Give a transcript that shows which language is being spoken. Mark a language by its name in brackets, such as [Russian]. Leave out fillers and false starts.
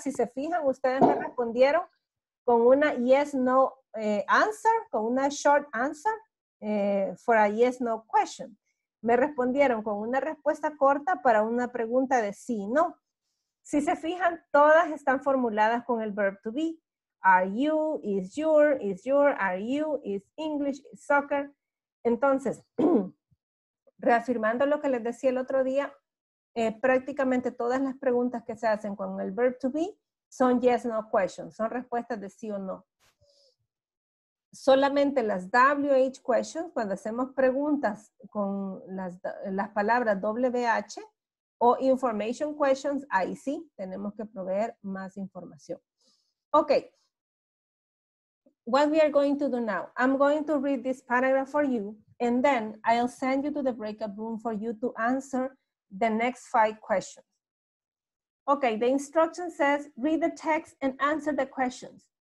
[Spanish] Si se fijan, ustedes me respondieron con una [English] yes, no answer, [Spanish] con una [English] short answer for a yes, no question. [Spanish] Me respondieron con una respuesta corta para una pregunta de sí y no. Si se fijan, todas están formuladas con el verb to be. [English] Are you, is your, are you, is English, is soccer. [Spanish] Entonces, reafirmando lo que les decía el otro día, prácticamente todas las preguntas que se hacen con el verb to be son [English] yes, no questions, [Spanish] son respuestas de sí o no. Solamente las WH questions, cuando hacemos preguntas con las palabras WH o information questions, ahí sí tenemos que proveer más información. Ok. [English] What we are going to do now, I'm going to read this paragraph for you and then I'll send you to the breakout room for you to answer the next 5 questions. Okay, the instruction says, read the text and answer the questions.